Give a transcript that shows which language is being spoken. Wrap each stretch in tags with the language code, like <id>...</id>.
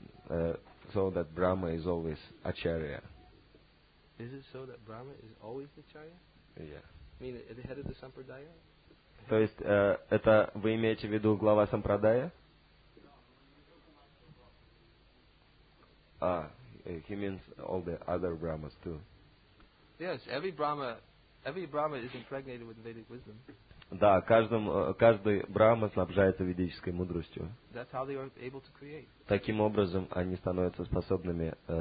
<en>Is it so that Brahma is always Acharya? Is it so that Brahma is always Acharya? Yeah. I mean, at the head of the Sampradaya?</en> <ru>То есть, это вы имеете в виду глава Сампрадая?</ru> <en>Ah, he means all the other Brahmas too. Yes, every Brahma is impregnated with Vedic wisdom.</en> <ru>Да, каждый Брахма снабжается ведической мудростью.</ru> <en>That's how they are able to create.</en> <ru>Таким образом, они становятся способными</ru>